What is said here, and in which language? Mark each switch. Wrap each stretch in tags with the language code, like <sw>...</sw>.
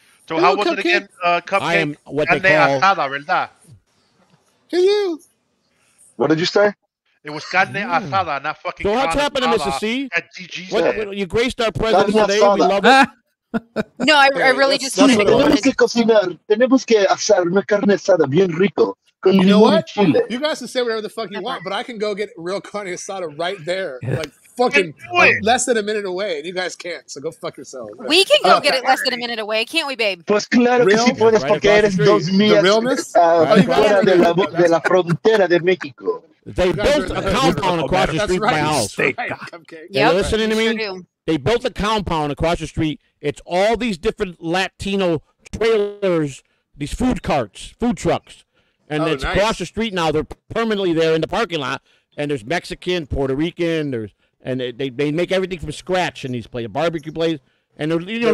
<en>So how was it again, Cupcake? I am what they call...</en> <es>Carne asada, ¿verdad?</es> <en>Hello? What did you say? It was carne asada, not fucking carne. So what's happening, Mr. C? At DG what, you graced our presence today. We love it. No, I really just wanted to go ahead.</en> <es>Tenemos que cocinar. Tenemos que asar una carne asada bien rico. Con</es> <en>you know what?</en> <es>Chile.</es> <en>You guys can say whatever the fuck you want, but I can go get real carne asada right there. Like, fucking less than a minute away, and you guys can't, so go fuck yourself. We can go get it less than a minute away, can't we, babe?</en> <es>Pues claro que sí puedes, porque eres dos millas fuera de la frontera de México.</es> <en>They built a compound across the street from my house. You listening to me? They built a compound across the street. It's all these different Latino trailers, these food carts, food trucks. And it's across the street now. They're permanently there in the parking lot, and there's Mexican, Puerto Rican, there's and they make everything from scratch in these places, barbecue places, and they're, you know,</en>